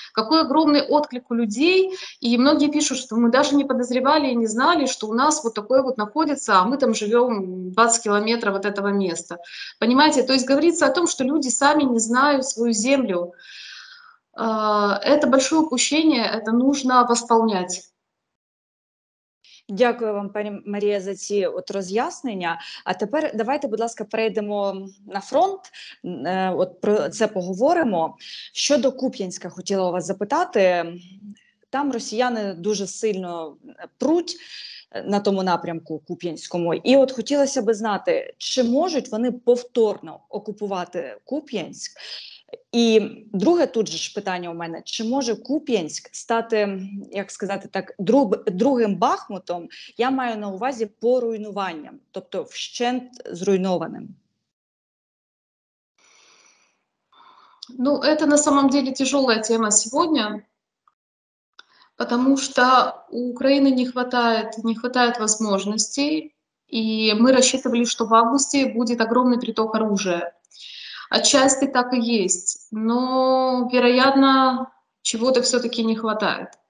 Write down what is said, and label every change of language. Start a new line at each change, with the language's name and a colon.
Russian: Какой огромный отклик у людей. И многие пишут, что мы даже не подозревали и не знали, что у нас вот такое вот находится, а мы там живем 20 километров от этого места. Понимаете? То есть говорится о том, что люди сами не знают свою землю. Это большое упущение, это нужно восполнять.
Ukrainian: Дякую вам, пані Марія, за ці от роз'яснення. А тепер давайте, будь ласка, перейдемо на фронт. От про це поговоримо. Щодо Куп'янська, хотіла вас запитати. Там росіяни дуже сильно пруть на тому напрямку Куп'янському. І от хотілося би знати, чи можуть вони повторно окупувати Куп'янськ? І друге тут же ж питання у мене, чи може Куп'янськ стати, як сказати так, другим Бахмутом, я маю на увазі по руйнуванням, тобто вщент зруйнованим? Ну, це
Russian: на самом деле
Ukrainian: тяжела тема сьогодні.
Russian: Потому что у Украины не хватает возможностей, и мы рассчитывали, что в августе будет огромный приток оружия. Отчасти так и есть, но, вероятно, чего-то все-таки не хватает.